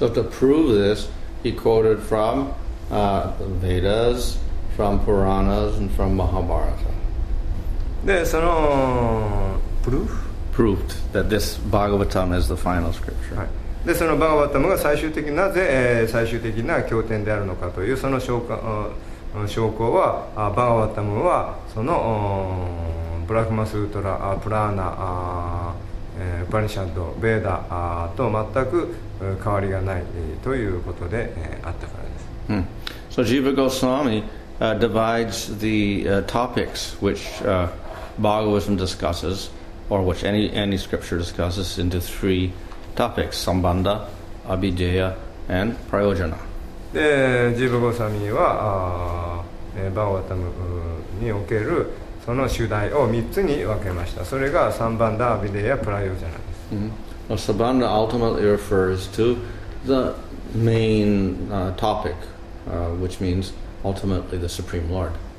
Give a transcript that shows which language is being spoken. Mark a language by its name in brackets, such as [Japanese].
[English] So to prove this, he quoted from Vedas, from Puranas, and from Mahabharata. [Japanese] で、その [English] proved that this Bhagavatam is the final scripture.、 [Japanese] はい、でそのバガヴァタムが最終的なぜ、最終的な経典であるのかというその証拠。証拠はバガヴァタムはそのブラフマスートラプラーナウパニシャッドベーダと全く変わりがないということであったからです。 [English] So Jiva Goswami divides the topics which Bhagavatam discusses or which any scripture discusses into three topics: Sambandha, Abhijaya, and Prayojana. [Japanese] でジーヴァ・ゴーサミーはバガヴァタムにおけるその主題を3つに分けました。それがサンバンダ・アビデヤ・プラヨジャナです。 [English] サンバンダ ultimately refers to the main topic, which means ultimately the Supreme Lord.